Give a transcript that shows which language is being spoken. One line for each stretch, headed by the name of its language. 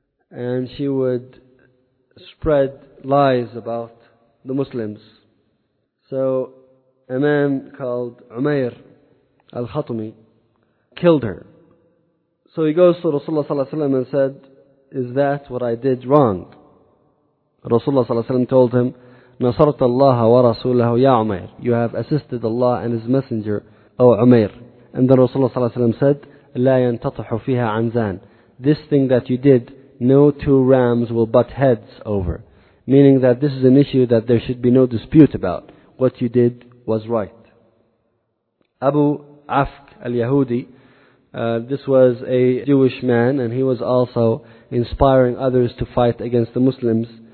English: And she would spread lies about the Muslims. So a man called Umayr al-Khatumi killed her. So he goes to Rasulullah ﷺ and said, is that what I did wrong? Rasulullah ﷺ told him,
Arabic: نصرت الله ورسوله يا عمير.
English: You have assisted Allah and His Messenger, O Umayr. And then Rasulullah ﷺ said,
Arabic: لا ينتطح فيها عنزان.
English: This thing that you did, no two rams will butt heads over. Meaning that this is an issue that there should be no dispute about. What you did was right. Abu Afk al-Yahudi, this was a Jewish man, and he was also inspiring others to fight against the Muslims.